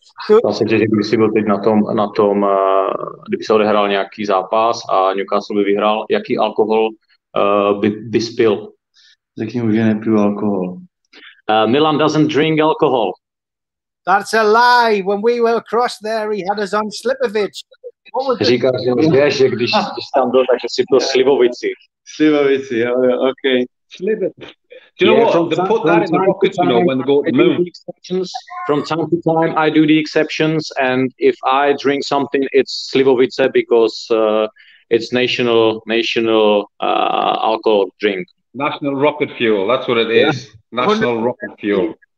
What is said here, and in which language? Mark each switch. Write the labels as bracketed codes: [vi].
[cs] Já si myslím, že kdyby byl teď na tom, kdyby se odehrál nějaký zápas a Newcastle by vyhrál, jaký alkohol by spil? Řekni mu, že nepiju alkohol. [en] Milan doesn't drink alcohol. That's a lie. When we were across there, he had us on Slipovic. [cs] Říkáš, že už věš, že když tam byl, takže si pil Slivovici. Slivovici, jo, ok. [en] Slivovici. Do you know what? They put that in the pockets, you know, when they go to the moon. From time to time, I do the exceptions. And if I drink something, it's Slivovice because it's national alcohol drink. National rocket fuel. That's what it is. Yeah. National rocket fuel.